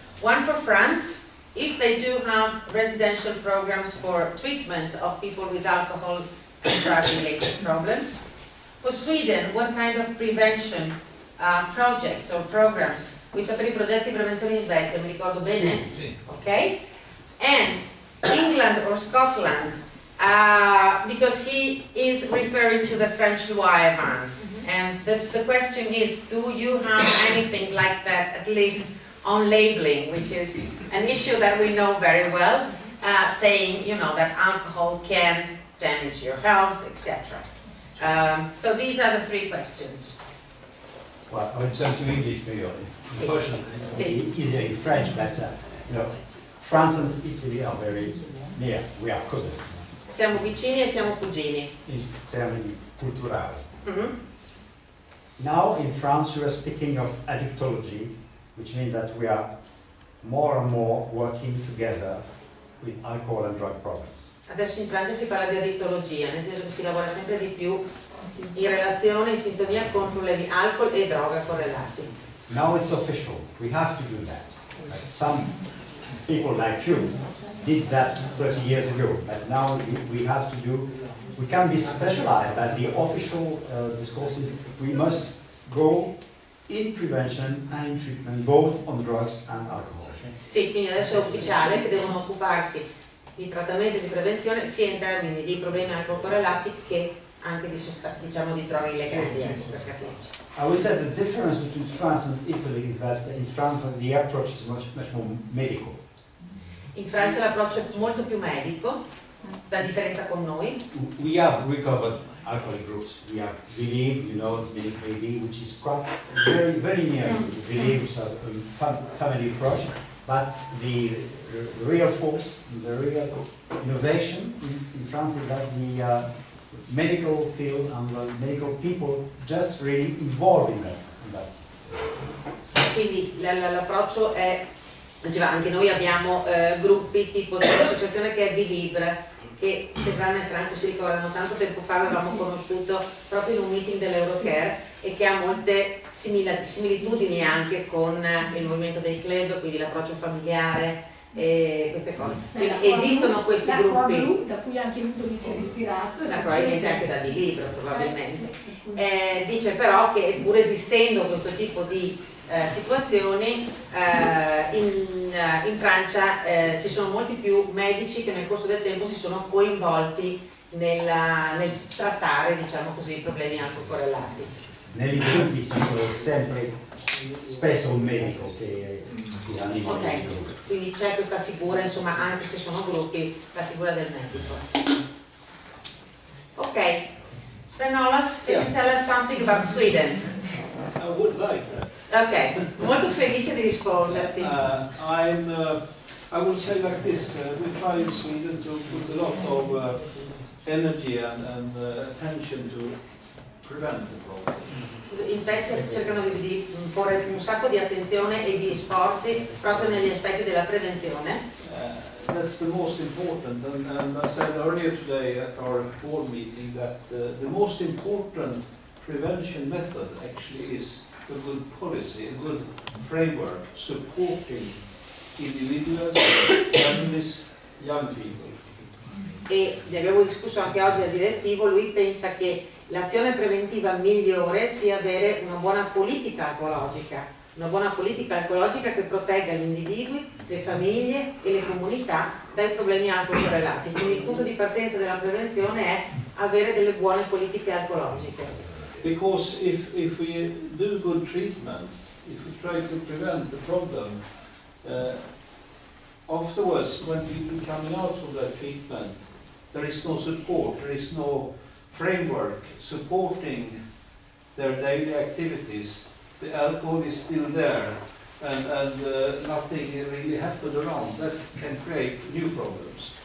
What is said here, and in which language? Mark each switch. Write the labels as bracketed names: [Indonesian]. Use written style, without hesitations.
[English] One for France, if they do have residential programs for treatment of people with alcohol and drug-related problems. For Sweden, what kind of prevention projects or programs? [Italian] Vuoi sapere i progetti di prevenzione in Svezia, mi ricordo bene? Sì, sì. Ok? [English] And England or Scotland, because he is referring to the French Loire ban. Mm-hmm. And the question is, do you have anything like that, at least on labeling, which is an issue that we know very well, saying, you know, that alcohol can damage your health, etc. So these are the three questions. Well, I'm going to turn to English for you. Unfortunately, either in French better, you know. France and Italy are very near, we are cousins. [Italian] Siamo vicini e siamo cugini. In termini culturali. Mm-hmm. [English] Now in France you are speaking of addictology, which means that we are more and more working together with alcohol and drug problems. [Italian] Adesso in Francia si parla di addictologia, nel senso che si lavora sempre di più in relazione, in sintonia con problemi alcol e droga correlati. [English] Now it's official, we have to do that. Like some people like you did that 30 years ago, but now we have to do, we can be specialized, but the official discourse is we must go in prevention and in treatment, both on drugs and alcohol. [Italian] Sì, quindi adesso è ufficiale che devono occuparsi di trattamento di prevenzione sia in termini di problemi alcol correlati che anche di diciamo di droghe illegali, per capirci. [English] I would say the difference between France and Italy is that in France the approach is much more medical. [Italian] In Francia l'approccio è molto più medico, la differenza con noi. [English] We have recovered alcoholic groups. We have Believe, you know, Believe, which is quite very, very near. Believe is a family approach, but the real force, the real innovation in France is that the medical field and the medical people just really involved in that. [Italian] Quindi l'approccio è, diceva, anche noi abbiamo gruppi tipo dell'associazione che è Vilibre, che Silvana e Franco si ricordano, tanto tempo fa l'avevamo conosciuto proprio in un meeting dell'Eurocare, e che ha molte similitudini anche con il movimento dei club, quindi l'approccio familiare, queste cose. Quindi esistono questi da gruppi. Da da cui anche lui si è ispirato. Da probabilmente anche da di libro, probabilmente. Dice però che pur esistendo questo tipo di situazioni, in Francia ci sono molti più medici che nel corso del tempo si sono coinvolti nel trattare, diciamo così, i problemi alcol-correlati. Nei gruppi ci sono sempre, spesso un medico che ha lì. Ok, quindi c'è questa figura, insomma, anche se sono gruppi, la figura del medico. [English] Ok, Sven Olaf, can you tell us something about Sweden? I would like that. [Italian] Ok, molto felice di risponderti. [English] I would say like this, we try in Sweden to put a lot of energy and attention to prevent the problem. [Italian] In Svezia cercano di porre un sacco di attenzione e di sforzi proprio negli aspetti della prevenzione. [English] That's the most important, and I said earlier today at our board meeting that the most important prevention method actually is a good policy, a good framework supporting individuals, families, young people. [Italian] E ne abbiamo discusso anche oggi al direttivo, lui pensa che l'azione preventiva migliore sia avere una buona politica alcologica, una buona politica alcologica che protegga gli individui, le famiglie e le comunità dai problemi alcol-correlati. Quindi il punto di partenza della prevenzione è avere delle buone politiche alcologiche. [English] Because if we do good treatment, if we try to prevent the problem, afterwards when people coming out of that treatment, there is no support, there is no framework supporting their daily activities, the alcohol is still there, and nothing really happened around, that can create new problems.